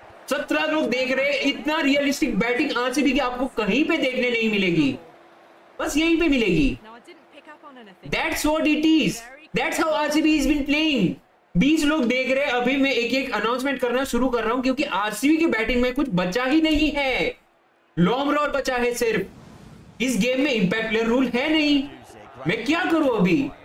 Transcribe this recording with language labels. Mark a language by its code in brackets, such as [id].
[hi] 17 लोग देख रहे हैं, इतना रियलिस्टिक बैटिंग आज भी कि आपको कहीं पे देखने नहीं मिलेगी, बस यहीं पे मिलेगी। [en] That's what it is. That's how RCB has been playing. [hi] 20 लोग देख रहे हैं, अभी मैं एक एक अनाउंसमेंट करना शुरू कर रहा हूँ क्योंकि RCB के बैटिंग में कुछ बचा ही नहीं है, लॉन्ग रोल बचा है सिर्फ। इस गेम में इम्पैक्ट प्लेयर रूल है नहीं, मैं क्या करूं अभी।